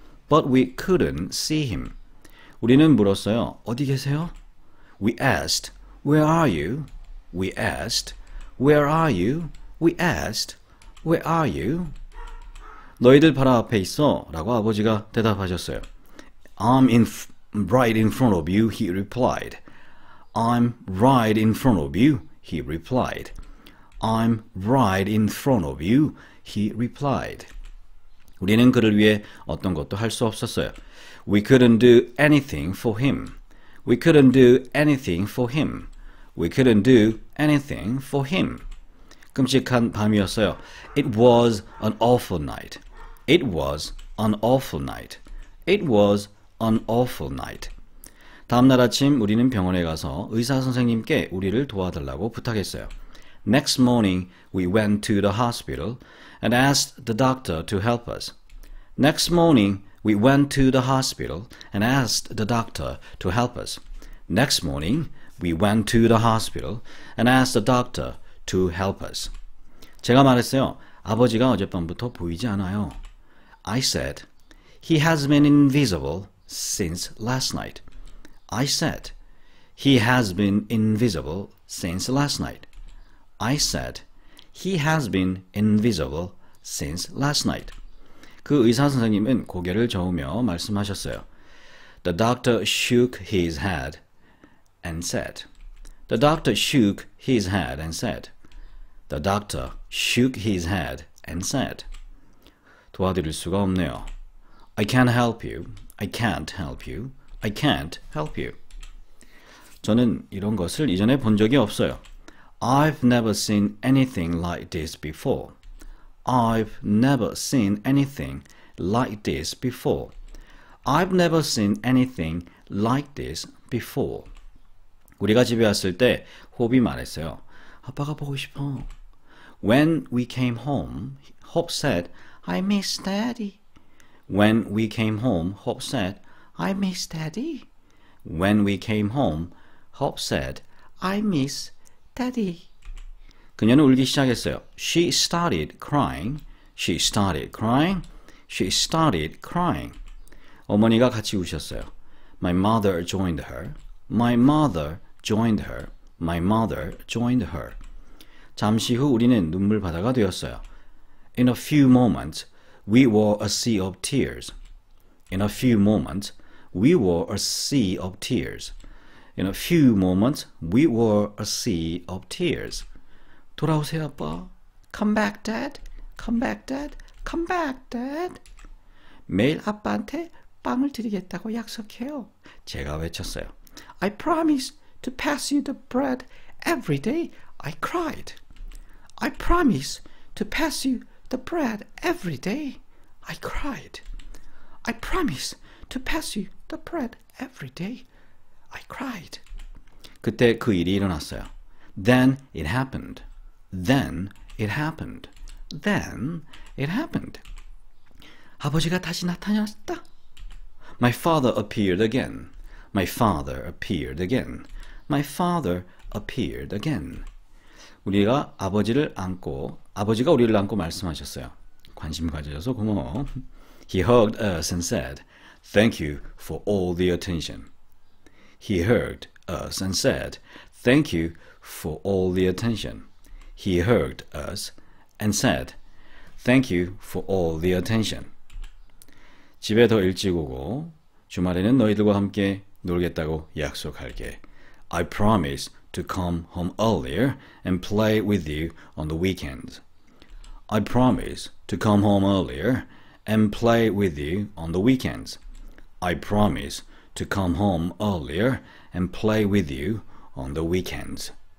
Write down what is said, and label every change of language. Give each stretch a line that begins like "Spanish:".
English: But we couldn't see him.
Korean: 우리는 물었어요. 어디 계세요?
English: We asked, where are you? We asked, where are you? We asked, where are you?
Korean: 너희들 바로 앞에 있어. 라고 아버지가 대답하셨어요.
English: I'm in right in front of you, he replied. I'm right in front of you, he replied. I'm right in front of you, he replied.
Korean: 우리는 그를 위해 어떤 것도 할 수 없었어요.
English: We couldn't do anything for him. We couldn't do anything for him. We couldn't do anything for him.
Korean: 끔찍한 밤이었어요.
English: It was an awful night. It was an awful night. It was an awful night.
Korean: 다음 날 아침 우리는 병원에 가서 의사 선생님께 우리를 도와달라고 부탁했어요.
English: Next morning, we went to the hospital and asked the doctor to help us. Next morning, we went to the hospital and asked the doctor to help us. Next morning, we went to the hospital and asked the doctor to help us.
Korean: 제가 말했어요. 아버지가 어젯밤부터 보이지 않아요.
English: I said, he has been invisible since last night. I said, he has been invisible since last night. I said, he has been invisible since last night.
Korean: 그 의사 선생님은 고개를 저으며 말씀하셨어요.
English: The doctor shook his head and said, The doctor shook his head and said, The doctor shook his head and said,
Korean: 도와드릴 수가 없네요.
English: I can't help you. I can't help you. I can't help you.
Korean: 저는 이런 것을 이전에 본 적이 없어요.
English: I've never seen anything like this before. I've never seen anything like this before. I've never seen anything like this before.
Korean: 우리가 집에 왔을 때 호비 말했어요. 아빠가 보고 싶어.
English: When we came home, Hope said, I miss Daddy. When we came home, Hope said, I miss Daddy. When we came home, Hope said, I miss Daddy.
Korean: 그녀는 울기 시작했어요.
English: She started crying. She started crying. She started crying.
Korean: 어머니가 같이 우셨어요.
English: My mother joined her. My mother joined her. My mother joined her.
Korean: 잠시 후 우리는 눈물 바다가 되었어요.
English: In a few moments, we were a sea of tears. In a few moments, we were a sea of tears. In a few moments, we were a sea of tears.
Korean: 돌아오세요, 아빠.
English: Come back, Dad. Come back, Dad. Come back, Dad.
Korean: 매일 아빠한테 빵을 드리겠다고 약속해요. 제가 외쳤어요.
English: I promise to pass you the bread every day. I cried. I promise to pass you the bread every day. I cried. I promise to pass you the bread every day. I cried.
Korean: 그때 그 일이 일어났어요.
English: Then it happened. Then it happened. Then it happened.
Korean: 아버지가 다시 나타났다.
English: My father appeared again. My father appeared again. My father appeared again.
Korean: 우리가 아버지를 안고, 아버지가 우리를 안고 말씀하셨어요. 관심 가져줘서 고마워.
English: He hugged us and said, "Thank you for all the attention." He hugged us and said, "Thank you for all the attention." He hugged us and said, "Thank you for all the attention."
Korean: 집에 더 일찍 오고 주말에는 너희들과 함께 놀겠다고 약속할게.
English: I promise to come home earlier and play with you on the weekends. I promise to come home earlier and play with you on the weekends. I promise to come home earlier and play with you on the weekends.